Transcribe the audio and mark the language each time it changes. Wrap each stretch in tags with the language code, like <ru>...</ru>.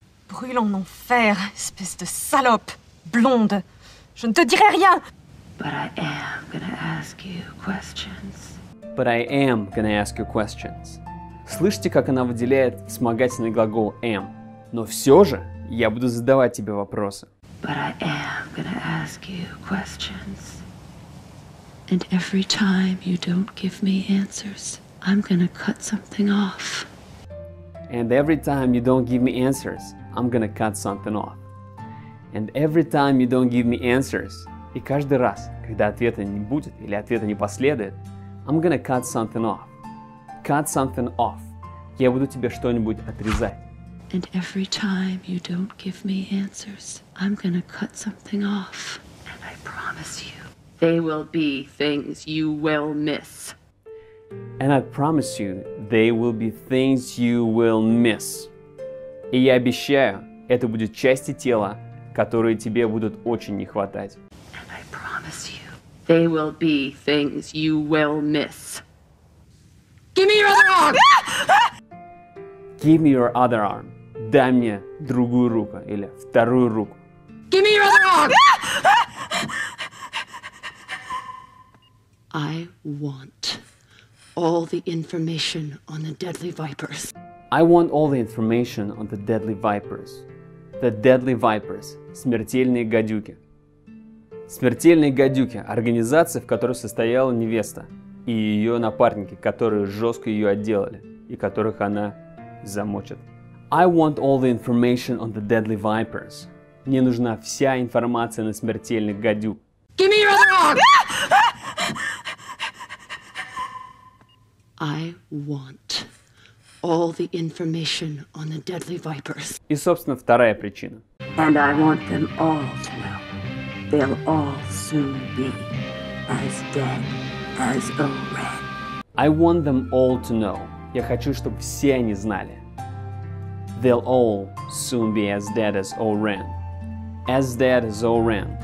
<fr>Brûle en enfer, espèce de salope, blonde. Je ne te dirai rien.</fr> <en>But I am gonna ask you questions. But I am gonna ask you questions.</en> <ru>Слышите, как она выделяет вспомогательный глагол am? Но все же я буду задавать тебе вопросы.</ru> <en>But I am gonna ask you questions. And every time you don't give me answers, I'm gonna cut something off. And every time you don't give me answers, I'm gonna cut something off. And every time you don't give me answers,</en> <ru>и каждый раз, когда ответа не будет или ответа не последует,</ru> <en>I'm gonna cut something off. Cut something off.</en> <ru>Я буду тебе что-нибудь отрезать.</ru> <en>And every time you don't give me answers, I'm gonna cut something off. And I promise you, they will be things you will miss. And I promise you, they will be things you will miss.</en> <ru>И я обещаю, это будет части тела, которые тебе будут очень не хватать.</ru> <en>And I promise you, they will be things you will miss. Give me your other arm! Give me your other arm.</en> <ru>Дай мне другую руку или вторую руку.</ru> <en>Give me your other arm! I want all the information on the deadly vipers. I want all the information on the deadly vipers.</en> <ru>The deadly vipers. Смертельные гадюки. Смертельные гадюки. Организация, в которой состояла невеста. И ее напарники, которые жестко ее отделали. И которых она замочит.</ru> <en>I want all the information on the deadly vipers.</en> <ru>Мне нужна вся информация на смертельных гадюк.</ru> <en>Give me your other arm! I want all the information on the deadly vipers.</en> <ru>И, собственно, вторая причина.</ru> <en>And I want them all to know. They'll all soon be as dead as a wren. I want them all to know.</en> <ru>Я хочу, чтобы все они знали.</ru> <en>They'll all soon be as dead as a wren. As dead as a wren.</en>